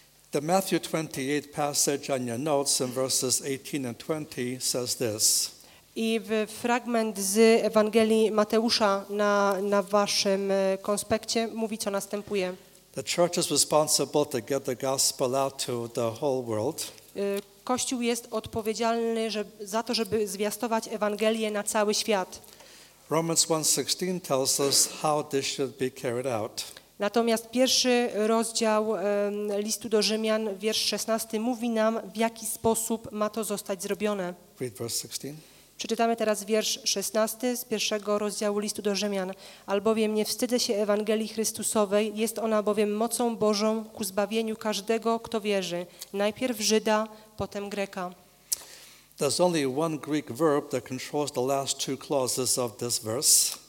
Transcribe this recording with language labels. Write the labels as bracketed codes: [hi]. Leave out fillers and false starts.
[en] The Matthew 28 passage on your notes in verses 18 and 20 says this. [pl] I w fragment z Ewangelii Mateusza na waszym konspekcie mówi, co następuje. [en] The church is responsible to get the gospel out to the whole world. [pl] Kościół jest odpowiedzialny za to, żeby zwiastować Ewangelię na cały świat. [en] Romans 1:16 tells us how this should be carried out. [pl] Natomiast pierwszy rozdział listu do Rzymian, wiersz 16, mówi nam, w jaki sposób ma to zostać zrobione. [en] Read verse 16. [pl] Przeczytamy teraz wiersz 16 z pierwszego rozdziału listu do Rzymian. Albowiem nie wstydzę się Ewangelii Chrystusowej, jest ona bowiem mocą Bożą ku zbawieniu każdego, kto wierzy. Najpierw Żyda, potem Greka. [en] There's only one Greek verb that controls the last two clauses of this verse.